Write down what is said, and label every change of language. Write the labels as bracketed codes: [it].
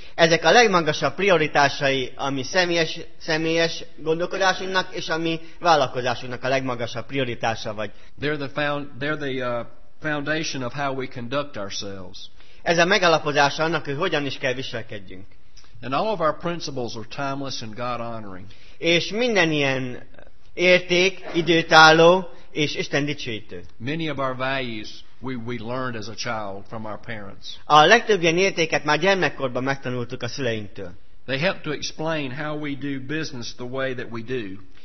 [hu] Ezek a legmagasabb prioritásai, ami személyes gondolkodásunknak és ami vállalkozásunknak a legmagasabb prioritása vagy. [en] They're the foundation of how we conduct ourselves. [hu] Ez a megalapozása annak, hogy hogyan is kell viselkedjünk. [en] And all of our principles are timeless and God-honoring. [hu] És minden ilyen érték időtálló és Isten dicsőítő. [en] Many of our values we learned as a child from our parents. [hu] A legtöbb ilyen értéket már gyermekkorban megtanultuk a szüleinktől. [en] They help to explain how we do business the way that we do.